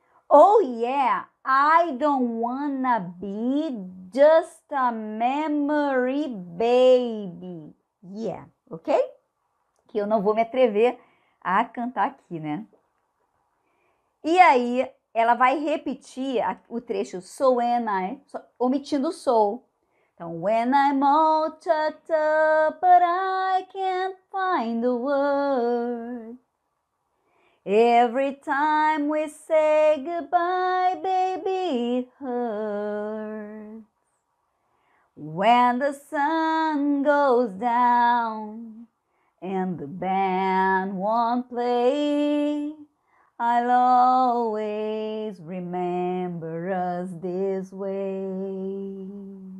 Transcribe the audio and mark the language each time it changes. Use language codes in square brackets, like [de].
[en] Oh yeah, I don't wanna be just a memory baby. Yeah, ok? [pt] Que eu não vou me atrever a cantar aqui, né? E aí, ela vai repetir o trecho [en] so when I, [pt] omitindo o so. [en] Então, when I'm all tucked up, but I can't find the word. Every time we say goodbye, baby, it hurts. When the sun goes down and the band won't play, I'll always remember us this way.